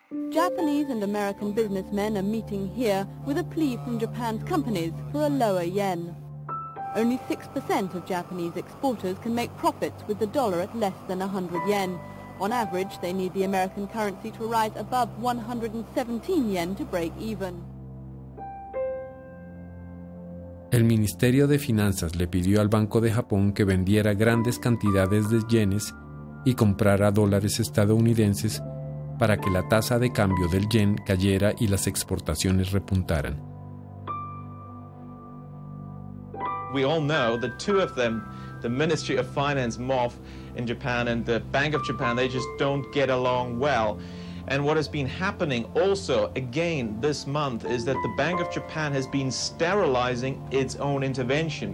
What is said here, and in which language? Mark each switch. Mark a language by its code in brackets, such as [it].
[en] Japanese and American businessmen are meeting here with a plea from Japan's companies for a lower yen. Only 6% of Japanese exporters can make profits with the dollar at less than 100 yen. On average, they need the American currency to rise above 117 yen to break even. [es] El Ministerio de Finanzas le pidió al Banco de Japón que vendiera grandes cantidades de yenes y comprara dólares estadounidenses para que la tasa de cambio del yen cayera y las exportaciones repuntaran. [en] We all know the two of them, the Ministry of Finance MOF in Japan and the Bank of Japan, they just don't get along well. And what has been happening also again this month is that the Bank of Japan has been sterilizing its own intervention.